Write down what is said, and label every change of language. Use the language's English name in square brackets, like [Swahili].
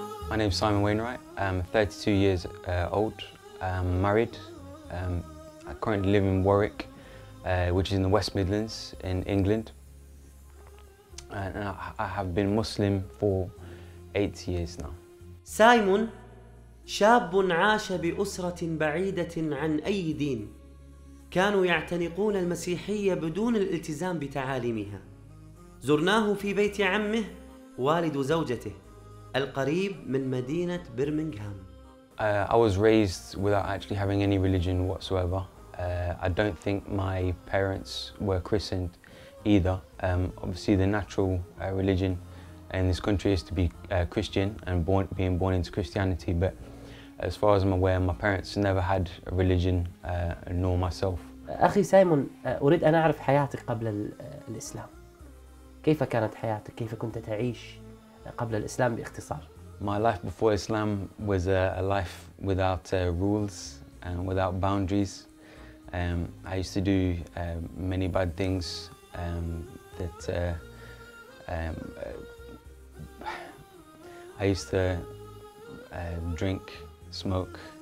[English] My name is Sayimon Wainwright. I'm 32 years old. I'm married. I currently live in Warwick, which is in the West Midlands in England. And I have been Muslim for 8 years now. [Arabic] Sayimon, شاب عاش بأسرة بعيدة عن أي دين. كانوا يعتنقون المسيحية بدون الالتزام بتعاليمها. زرناه في بيت عمه والد زوجته. القريب من مدينة برمنغهام. [English] I was raised without actually having any religion whatsoever. I don't think my parents were christened either. Obviously the natural religion in this country is to be Christian and being born into Christianity, but as far as I'm aware my parents never had a religion nor myself. [Arabic] أخي سايمون أريد أن أعرف حياتك قبل الإسلام. كيف كانت حياتك؟ كيف كنت تعيش؟ قبل الإسلام باختصار. [English] My life before Islam was a life without rules and without boundaries. I used to do many bad things that I used to drink, smoke.